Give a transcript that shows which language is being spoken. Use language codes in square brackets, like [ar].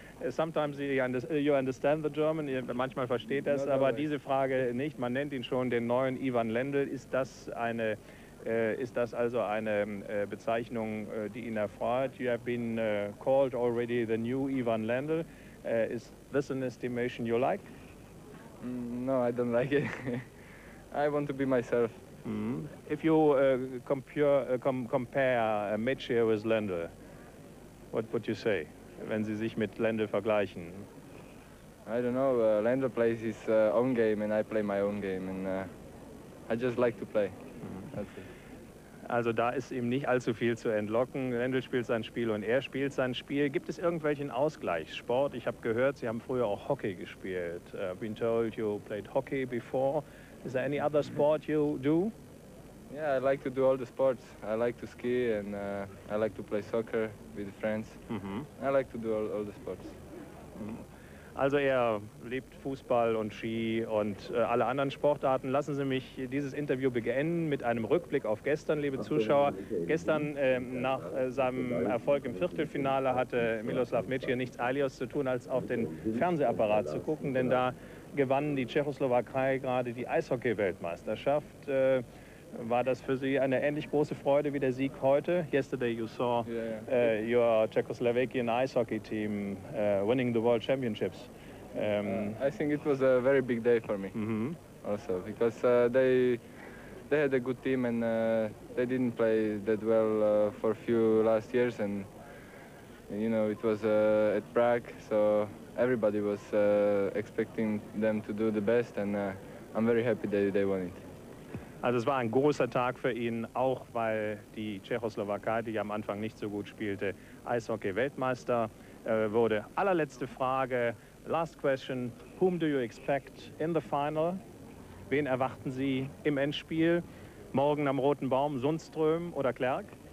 [en] Sometimes you understand the German, [de] manchmal versteht er es, aber diese Frage nicht. Man nennt ihn schon den neuen Ivan Lendl. Ist das also eine Bezeichnung, die ihn erfreut? [en] You have been called already the new Ivan Lendl. Is this an estimation you like? No, I don't like it. I want to be myself. If you compare Mečiar with Lendl, what would you say, [de] wenn Sie sich mit Lendl vergleichen? [en] I don't know. Lendl plays his own game and I play my own game. And I just like to play. That's it. [de] Also da ist ihm nicht allzu viel zu entlocken. Lendl spielt sein Spiel und er spielt sein Spiel. Gibt es irgendwelchen Ausgleichssport? Ich habe gehört, Sie haben früher auch Hockey gespielt. [en] I've been told you played hockey before. Is there any other sport you do? Yeah, I like to do all the sports. I like to ski and I like to play soccer with friends. I like to do all the sports. [de] Also er liebt Fußball und Ski und alle anderen Sportarten. Lassen Sie mich dieses Interview beenden mit einem Rückblick auf gestern, liebe Zuschauer. Gestern nach seinem Erfolg im Viertelfinale hatte Miloslav Mitschir nichts Eiligeres zu tun, als auf den Fernsehapparat zu gucken, denn da gewann die Tschechoslowakei gerade die Eishockey-Weltmeisterschaft. War das für Sie eine ähnlich große Freude wie der Sieg heute? [en] Yesterday you saw your Czechoslovakian ice hockey team winning the world championships. I think it was a very big day for me also, because they had a good team and they didn't play that well for a few last years. And you know, it was at Prague, so everybody was expecting them to do the best. And I'm very happy that they won it. [de] Also es war ein großer Tag für ihn, auch weil die Tschechoslowakei, die am Anfang nicht so gut spielte, Eishockey-Weltmeister wurde. Allerletzte Frage, [en] last question, whom do you expect in the final? [de] Wen erwarten Sie im Endspiel? Morgen am Roten Baum, Sundström oder Clerc?